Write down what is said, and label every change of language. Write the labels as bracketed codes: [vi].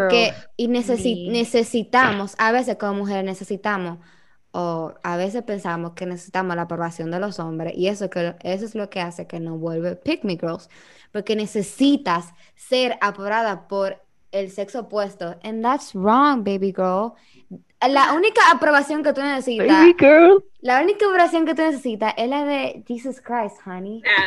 [es] Porque necesitamos, a veces como mujeres necesitamos, o a veces pensamos que necesitamos la aprobación de los hombres, y eso es lo que hace que nos vuelve Pick Me Girls. Porque necesitas ser aprobada por el sexo opuesto. [en] And that's wrong, baby girl. [es] La única aprobación que tú necesitas... [en] Baby girl. [es] La única aprobación que tú necesitas es la de Jesus Christ, honey.